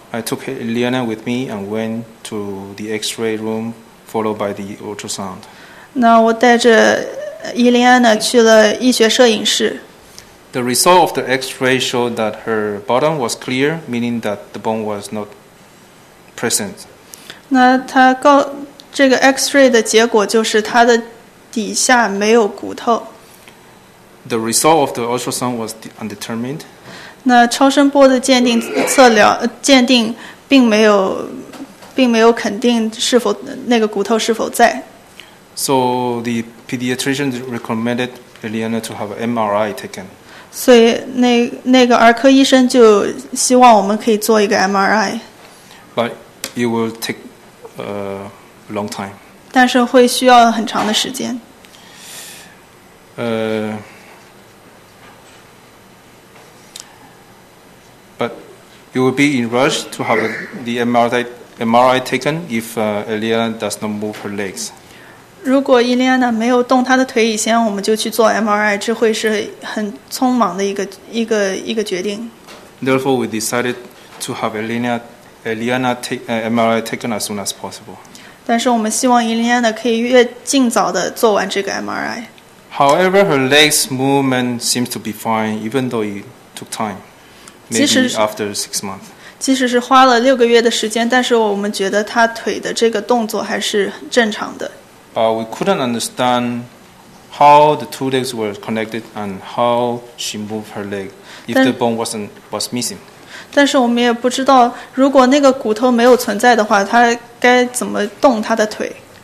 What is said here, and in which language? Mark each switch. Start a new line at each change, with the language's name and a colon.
English: I took Eliana with me and went to the x-ray room followed by the ultrasound.
Chinese: 那我带着 Eliana 去了医学摄影室。
English: The result of the x-ray showed that her bottom was clear, meaning that the bone was not present.
Chinese: 那他告这个 x-ray 的结果就是他的底下没有骨头。
English: The result of the ultrasound was undetermined.
Chinese: 那超声波的鉴定测量鉴定并没有肯定是否那个骨头是否在。
English: So the pediatrician recommended Eliana to have an MRI taken.
Chinese: 所以那个儿科医生就希望我们可以做一个 MRI.
English: But it will take a long time.
Chinese: 但是会需要很长的时间。
English: But you will be in rush to have the MRI MRI taken if Eliana does not move her legs.
Chinese: 如果伊莉安娜没有动她的腿以前，我们就去做 MRI， 这会是很匆忙的一个决定。
English: Therefore, we decided to have Eliana take MRI taken as soon as possible.
Chinese: 但是我们希望伊莉安娜可以越尽早的做完这个 MRI。
English: However, her legs movement seems to be fine, even though it took time, maybe after 6 months.
Chinese: 即使是花了六个月的时间，但是我们觉得她腿的这个动作还是正常的。
English: We couldn't understand how the two legs were connected and how she moved her leg if the bone was missing.
Chinese: 但是我们也不知道，如果那个骨头没有存在的话，她该怎么动她的腿。